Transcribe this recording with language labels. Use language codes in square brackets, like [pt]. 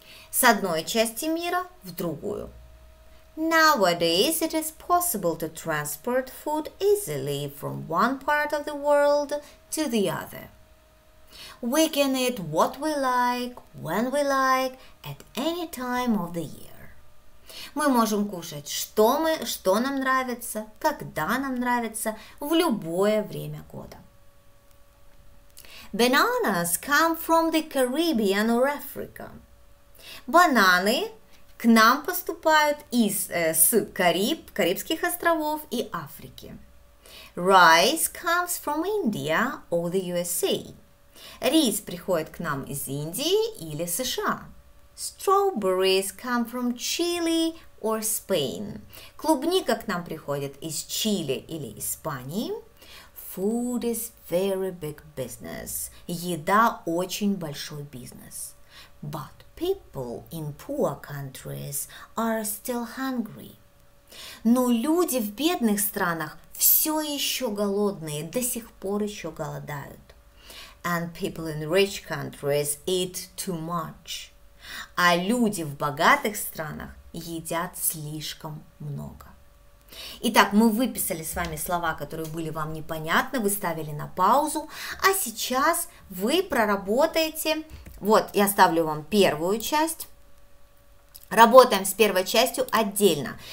[ru] С одной части мира в другую. [en] Nowadays it is possible to transport food easily from one part of the world to the other. We can eat what we like, when we like, at any time of the year. [ru] Мы можем кушать, что нам нравится, когда нам нравится, в любое время года. [en] Bananas come from the Caribbean or Africa. [ru] Бананы к нам поступают Карибских островов и Африки. [en] Rice comes from India or the USA. [ru] Рис приходит к нам из Индии или США. [en] Strawberries come from Chile or Spain. [ru] Клубника к нам приходит из Чили или Испании. [en] Food is very big business. [ru] Еда очень большой бизнес. [en] But people in poor countries are still hungry. [ru] Но люди в бедных странах все еще голодные, до сих пор еще голодают. [en] And people in rich countries eat too much. [ru] А люди в богатых странах едят слишком много. Итак, мы выписали с вами слова, которые были вам непонятны, вы ставили на паузу, а сейчас вы проработаете, вот я ставлю вам первую часть, работаем с первой частью отдельно.